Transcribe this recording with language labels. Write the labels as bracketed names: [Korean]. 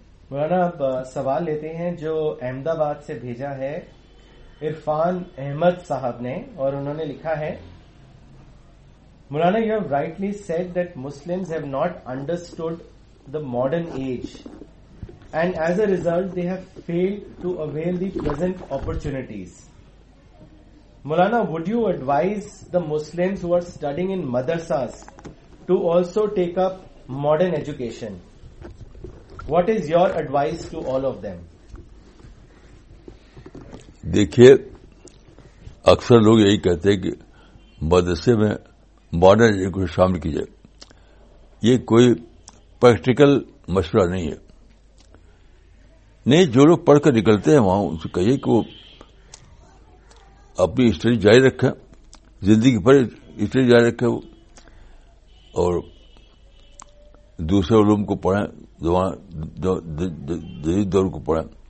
[Urdu] مولانا اب سوال لیتے ہیں جو احمد آباد سے بھیجا ہے عرفان احمد صاحب نے, اور انہوں نے لکھا ہے, [English] Maulana you have rightly said that Muslim have not understood the modern age and as a result they have failed to avail the present opportunities. Mulana, would you advise the Muslims who are studying in madrasas to also take up modern education? What is your advice to all of them? [Urdu] دیکھیے اکثر لوگ یہی کہتے ہیں کہ مدرسے میں modern education شامل کی جائے. یہ کوئی پریکٹیکل مشورہ نہیں ہے. نہیں, جو لوگ پڑھ کر نکلتے ہیں وہاں ان سے کہیے کہ وہ اپنی اسٹڈی جاری رکھیں, زندگی پر اسٹڈی جاری رکھیں, اور دوسرے علوم کو پڑھیں, جدید دور کو پڑھیں.